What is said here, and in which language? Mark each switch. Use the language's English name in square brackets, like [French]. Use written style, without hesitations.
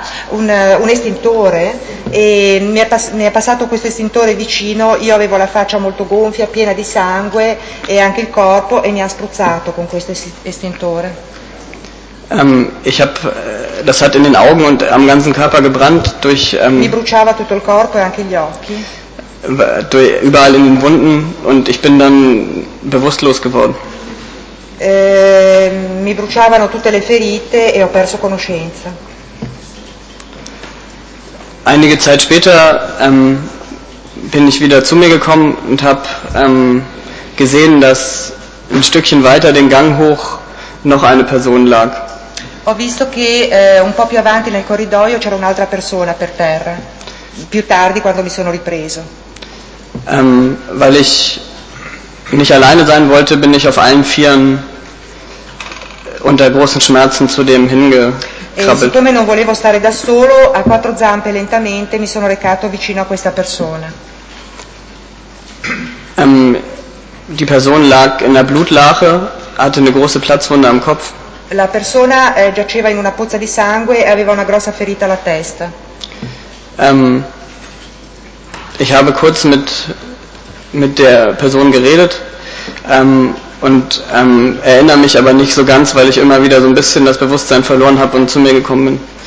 [Italian] Un estintore e mi è passato questo estintore vicino, io avevo la faccia molto gonfia, piena di sangue e anche il corpo e mi ha spruzzato con questo estintore. [German] Ich habe das hat in den Augen und am ganzen Körper gebrannt durch [Italian] mi bruciava tutto il corpo e anche gli occhi. [German] überall in den Wunden und ich bin dann bewusstlos geworden. [Italian] Mi bruciavano tutte le ferite e ho perso conoscenza. [German] Einige Zeit später bin ich wieder zu mir gekommen und habe gesehen, dass ein Stückchen weiter den Gang hoch noch eine Person lag. [Italian] Ho visto che un po' più avanti nel corridoio c'era un'altra persona per terra. Più tardi, quando mi sono ripreso. [German] Weil ich nicht alleine sein wollte, bin ich auf allen Vieren unter großen Schmerzen zu dem hingekrabbelt. [Italian] Siccome non volevo stare da solo, a quattro zampe lentamente mi sono recato vicino a questa persona. [German] Die Person lag in der Blutlache, hatte eine große Platzwunde am Kopf. [Italian] La persona giaceva in una pozza di sangue e aveva una grossa ferita alla testa. [German] Ich habe kurz mit der Person geredet und erinnere mich aber nicht so ganz, weil ich immer wieder so ein bisschen das Bewusstsein verloren habe und zu mir gekommen bin.